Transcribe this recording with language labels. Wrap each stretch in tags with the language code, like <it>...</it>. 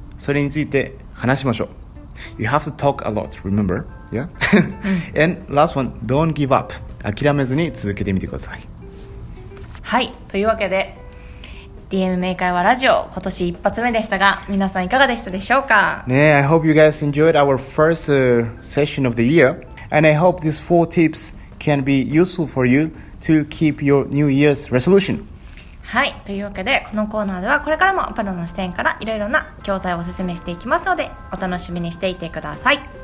<ja>それについて話しましょう。</ja> <en>You have to talk a lot, remember? Yeah? And last one, don't give up.</en> <ja>諦めずに続けてみてください。はい、というわけでDMM 英会話ラジオ今年一発目でしたが、皆さんいかがでしたでしょうか。</ja> <en>ね、I hope you guys enjoyed our first session of the year, and I hope these four tips can be useful for you to keep your New Year's resolution.</en> <ja>はい、というわけでこのコーナーではこれからもプロの視点からいろいろな教材をおすすめしていきますので、お楽しみにしていてください。</ja>